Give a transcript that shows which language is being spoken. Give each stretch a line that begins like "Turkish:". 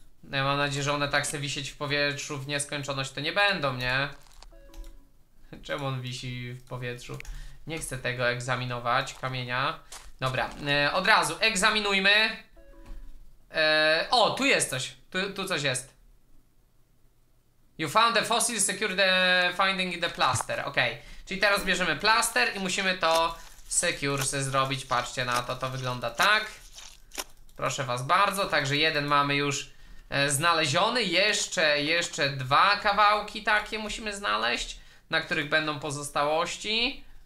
Polish: Ja mam nadzieję, że one tak se wisieć w powietrzu w nieskończoność to nie będą, nie? Czemu on wisi w powietrzu? Nie chcę tego egzaminować, kamienia. Dobra, od razu egzaminujmy. O, tu jest coś, tu coś jest.
English: You found the fossil, secure the finding in the plaster.
Polish: Ok, czyli teraz bierzemy plaster i musimy to secure se zrobić. Patrzcie na to, to wygląda tak. Proszę was bardzo, także jeden mamy już znaleziony, jeszcze dwa kawałki takie musimy znaleźć, na których będą pozostałości.